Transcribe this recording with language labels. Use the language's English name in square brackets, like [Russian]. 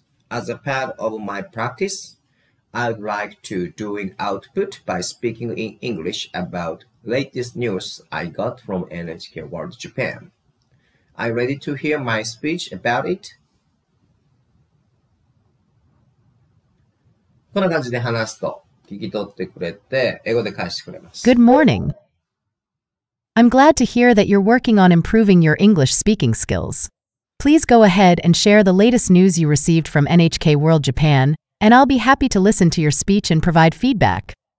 [English] As a part of my practice, I'd like to do an output by speaking in English about latest news I got from NHK World Japan. Are you ready to hear my speech about it? [Japanese] こんな感じで話すと聞き取ってくれて英語で返してくれます。 [English] Good morning. I'm glad to hear that you're working on improving your English speaking skills. Please go ahead and share the latest news you received from NHK World Japan, and I'll be happy to listen to your speech and provide feedback.